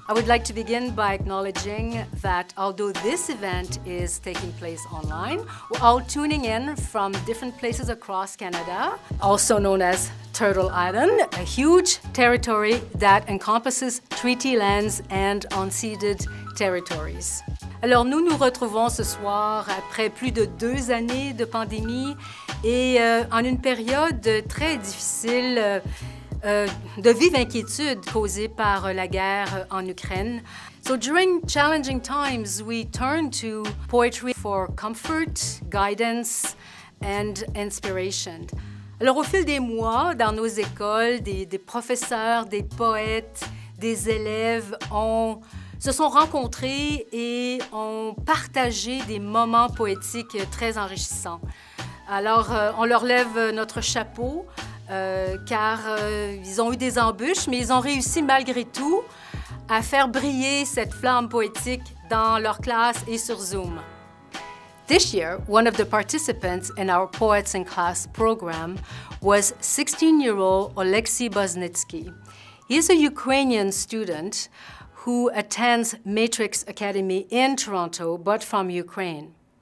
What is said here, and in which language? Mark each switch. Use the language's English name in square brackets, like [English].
[English] I would like to begin by acknowledging that although this event is taking place online, we're all tuning in from different places across Canada, also known as Turtle Island, a huge territory that encompasses treaty lands and unceded territories. [French] Alors nous nous retrouvons ce soir après plus de deux années de pandémie et en une période très difficile de vive inquiétude causée par la guerre en Ukraine. [English] So during challenging times, we turn to poetry for comfort, guidance, and inspiration. [French] Alors au fil des mois, dans nos écoles, des professeurs, des poètes, des élèves se sont rencontrés et ont partagé des moments poétiques très enrichissants. Alors on leur lève notre chapeau. Car ils ont eu des embûches, mais ils ont réussi malgré tout à faire briller cette flamme poétique dans leur classe et sur Zoom. [English] This year, one of the participants in our Poets in Class program was 16-year-old Oleksiy Boznitsky. He is a Ukrainian student who attends Matrix Academy in Toronto, but from Ukraine.